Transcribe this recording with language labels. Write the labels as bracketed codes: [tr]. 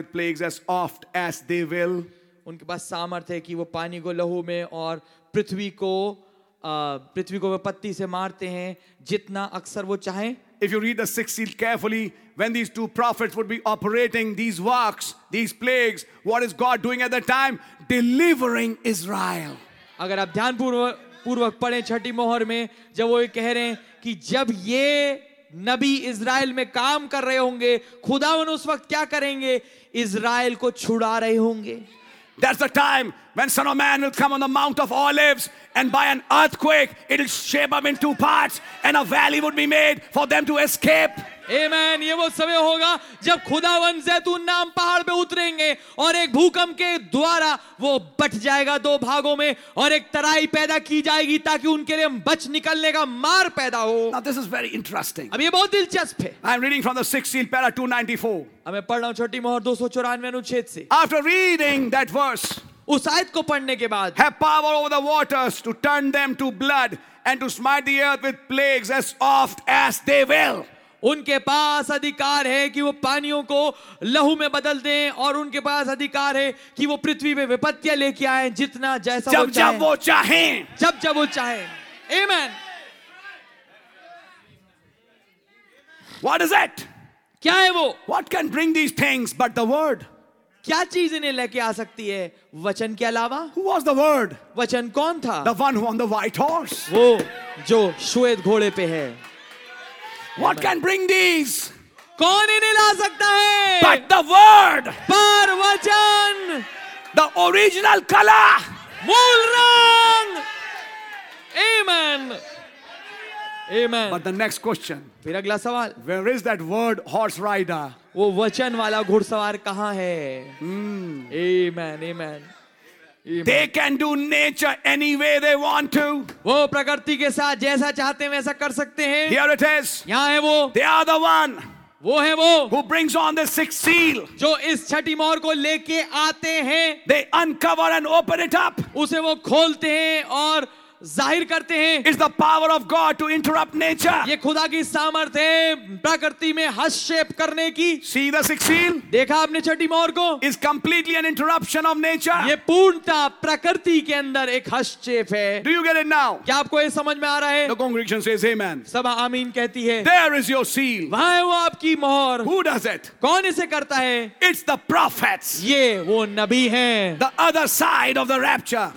[hi] उनके पास सामर्थ्य कि वो पानी को लहू में और पृथ्वी को पत्ती से मारते हैं जितना अक्सर वो चाहें. [en] if you read the sixth seal carefully, when these two prophets would be operating these works, these plagues, what is God doing at that time? Delivering Israel. [hi] अगर आप ध्यान पूर्वक पढ़ें छठी मोहर में, जब वो ये कह रहे हैं कि जब ये नबी इज़राइल में काम कर रहे होंगे, खुदावन उस वक्त क्या करेंगे? इज़राइल को छुड़ा रहे होंगे. [en] That's the time when Son of Man will come on the Mount of Olives, and by an earthquake it'll shape them in two parts, and a valley would be made for them to escape. Amen. [hi] ये वो समय होगा जब खुदावन जैतून नाम पहाड़ पे उतरेंगे और एक भूकंप के द्वारा वो बट जाएगा दो भागों में और एक तराई पैदा की जाएगी ताकि उनके लिए बच निकलने का मार पैदा हो. [en] Now this is very interesting. [hi] अब ये बहुत दिलचस्प है. [en] I'm reading from the sixth seal, para 294. [hi] अब मैं पढ़ रहा हूँ छोटी मोहर 294 अनुच्छेद से. [en] After reading that verse, [hi] उस आयत को पढ़ने के बाद, [en] have power over the waters to turn them to blood and to smite the earth with plagues as oft as they will. [hi] उनके पास अधिकार है कि वो पानियों को लहू में बदल दें और उनके पास अधिकार है कि वो पृथ्वी में विपत्तियां लेके आए जितना जैसा जब वो चाहें. जब वो चाहें, जब जब वो चाहें. आमीन. [en] What is it? [hi] क्या है वो? [en] What can bring these things but the word? [hi] क्या चीज इन्हें लेके आ सकती है वचन के अलावा? [en] Who was the word? [hi] वचन कौन था? [en] The one who on the white horse. [hi] वो जो श्वेत घोड़े पे है. [en] What can bring these? [hi] कौन इन्हें ला सकता है? [en] But the word. [hi] पर वचन. [en] The original color. [hi] मूल रंग. Amen. Amen. [en] But the next question. [hi] फिर अगला सवाल. [en] Where is that word horse rider? [hi] वो वचन वाला घुड़सवार कहाँ है? [en] Amen. Amen. They can do nature any way they want to. [hi] वो प्रकृति के साथ जैसा चाहते हैं वैसा कर सकते हैं. [en] Here it is. [hi] यहाँ है वो. [en] They are the one. [hi] वो है वो. [en] Who brings on the sixth seal. [hi] जो इस छठी मोहर को लेके आते हैं. [en] They uncover and open it up. [hi] उसे वो खोलते हैं और जाहिर करते हैं. [en] It's the power of God to interrupt nature. [hi] ये खुदा की सामर्थ है प्रकृति में हस्तक्षेप करने की. [en] See the sixth seal? [hi] देखा आपने छठी मोहर को? [en] It's completely an interruption of nature. [hi] ये पूर्णता प्रकृति के अंदर एक हस्तक्षेप है. [en] Do you get it now? [hi] क्या आपको ये समझ में आ रहा है? [en] The congregation says amen. [hi] सब आमीन कहती है. [en] There is your seal. [hi] वहाँ है वो आपकी मोहर. [en] Who does it? [hi] कौन इसे करता है? [en] It's the prophets. [hi] ये वो नबी है. [en] The other side of the rapture.